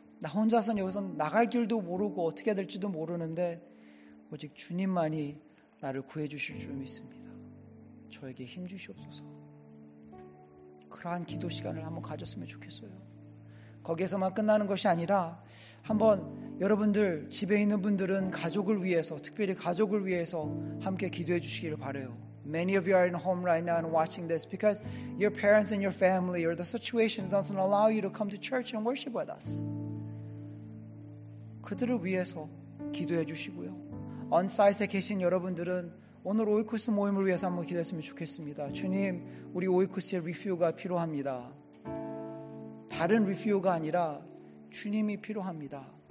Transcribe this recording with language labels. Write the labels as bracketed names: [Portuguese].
[Korean] 나 혼자서는 여기서 나갈 길도 모르고 어떻게 될지도 모르는데 오직 주님만이 나를 구해 주실 줄 믿습니다. 저에게 힘 주시옵소서. 그러한 기도 시간을 한번 가졌으면 좋겠어요. 거기에서만 끝나는 것이 아니라 한번 여러분들 집에 있는 분들은 가족을 위해서 특별히 가족을 위해서 함께 기도해 주시기를 바라요. [English] Many of you are in home right now and watching this because your parents and your family or the situation doesn't allow you to come to church and worship with us. [Korean] 그들을 위해서 기도해 주시고요. 언사이트에 계신 여러분들은 오늘 오이쿠스 모임을 위해서 한번 기도했으면 좋겠습니다. 주님, 우리 오이쿠스의 리퓨가 필요합니다. 다른 리퓨가 아니라 주님이 필요합니다.